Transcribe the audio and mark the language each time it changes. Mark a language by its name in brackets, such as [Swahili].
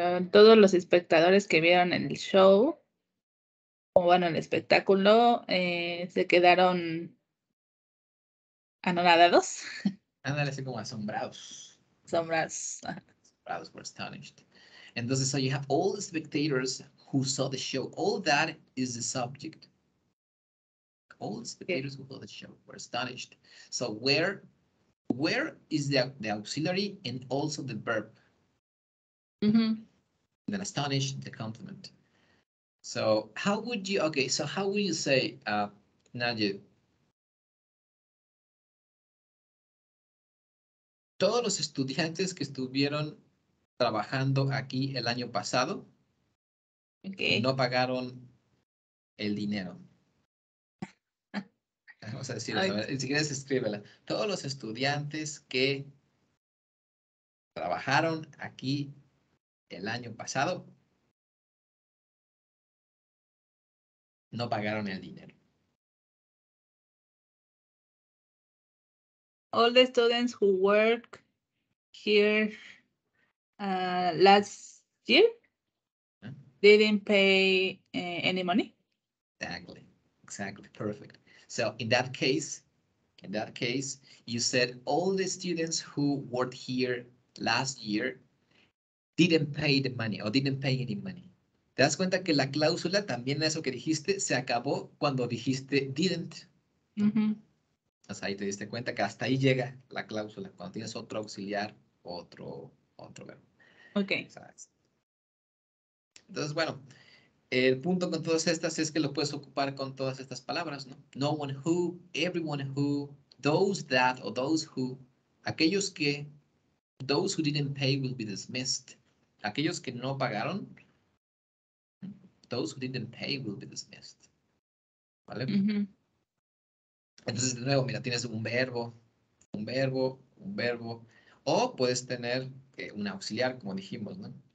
[Spanish] Todos los espectadores que vieron el show, o bueno, el espectáculo, se quedaron anonadados. Ándale, así como asombrados. Asombrados. [English] Were astonished. Entonces, so you have all the spectators who saw the show. All that is the subject. All the spectators who saw the show were astonished. So where is the auxiliary and also the verb? Mm-hmm. Then astonish, the complement. So how would you, okay, so how would you say, Nadia? [Spanish] Todos los estudiantes que estuvieron trabajando aquí el año pasado, okay, no pagaron el dinero. Vamos a decirlo, okay. Si quieres escríbela. Todos los estudiantes que trabajaron aquí el año pasado no pagaron el dinero. [English] All the students who work here last year didn't pay any money. Exactly, perfect. So in that case, In that case, you said all the students who worked here last year didn't pay the money or didn't pay any money. [Spanish] ¿Te das cuenta que la cláusula también eso que dijiste se acabó cuando dijiste didn't? Mm-hmm. O sea, ahí te diste cuenta que hasta ahí llega la cláusula, cuando tienes otro auxiliar, otro verbo. Ok. Entonces, bueno, el punto con todas estas es que lo puedes ocupar con todas estas palabras, ¿no? [English] No one who, everyone who, those that, o those who, [Spanish] aquellos que, [English] those who didn't pay will be dismissed. [Spanish] Aquellos que no pagaron, [English] those who didn't pay will be dismissed. [Spanish] ¿Vale? Mm-hmm. Entonces, de nuevo, mira, tienes un verbo, o puedes tener un auxiliar, como dijimos, ¿no?